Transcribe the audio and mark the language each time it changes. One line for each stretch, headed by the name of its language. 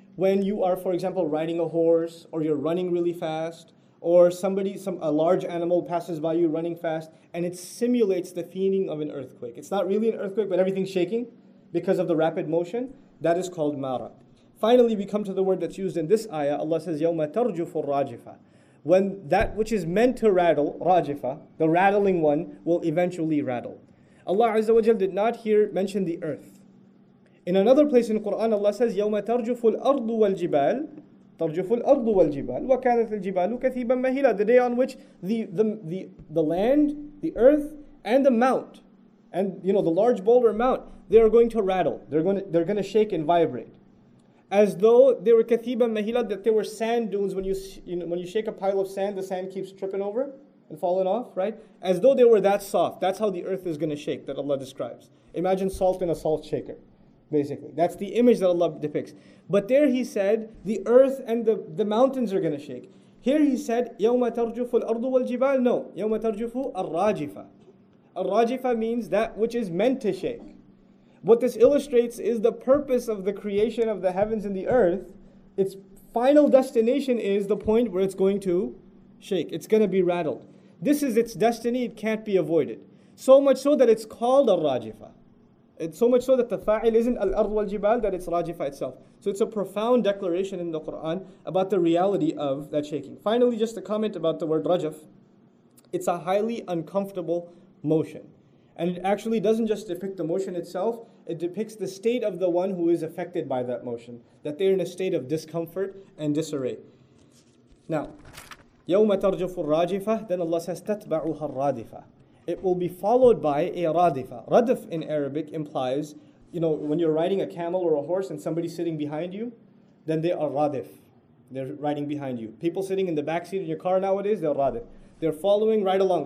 English: when you are, for example, riding a horse, or you're running really fast, or somebody, a large animal passes by you running fast, and it simulates the feeling of an earthquake. It's not really an earthquake, but everything's shaking because of the rapid motion. That is called marad. Finally, we come to the word that's used in this ayah. Allah says,
Arabic: يَوْمَ تَرْجُفُ الرَّاجِفَ.
English: When that which is meant to rattle, rajifa, the rattling one, will eventually rattle. Allah Azza wa Jal did not here mention the earth. In another place in the Quran, Allah says,
Arabic: يَوْمَ تَرْجُفُ الْأَرْضُ وَالْجِبَالُ. تَرْجُفُ الْأَرْضُ وَالْجِبَالُ وَكَانَتِ الْجِبَالُ كَثِيبًا مَهِيلًا.
English: The day on which the land, the earth, and the mount, and you know the large boulder mount, they are going to rattle. They're going to shake and vibrate, as though they were
Arabic: كَثِيبًا مَهِيلًا,
English: that they were sand dunes. When you shake a pile of sand, the sand keeps tripping over and falling off, right? As though they were that soft. That's how the earth is going to shake that Allah describes. Imagine salt in a salt shaker. Basically, that's the image that Allah depicts. But there he said, the earth and the mountains are going to shake. Here he said,
Arabic: يَوْمَ تَرْجُفُ الْأَرْضُ وَالْجِبَالُ.
English: No,
Arabic: يَوْمَ تَرْجُفُ الْرَاجِفَ.
English: الْرَاجِفَ means that which is meant to shake. What this illustrates is the purpose of the creation of the heavens and the earth. Its final destination is the point where it's going to shake. It's going to be rattled. This is its destiny. It can't be avoided. So much so that it's called الْرَاجِفَ. It's so much so that the fa'il isn't
Arabic: al-ard wal-jibal,
English: that it's rajifa itself. So it's a profound declaration in the Qur'an about the reality of that shaking. Finally, just a comment about the word rajaf. It's a highly uncomfortable motion. And it actually doesn't just depict the motion itself, it depicts the state of the one who is affected by that motion. That they're in a state of discomfort and disarray.
Arabic: Now, يَوْمَ تَرْجَفُ الرَّاجِفَةِ.
English: Then Allah says,
Arabic: تَتْبَعُهَا الرَّادِفَةِ.
English: It will be followed by a radifa. Radif in Arabic implies, you know, when you're riding a camel or a horse and somebody's sitting behind you, then they are radif. They're riding behind you. People sitting in the back seat of your car nowadays, they're radif. They're following right along.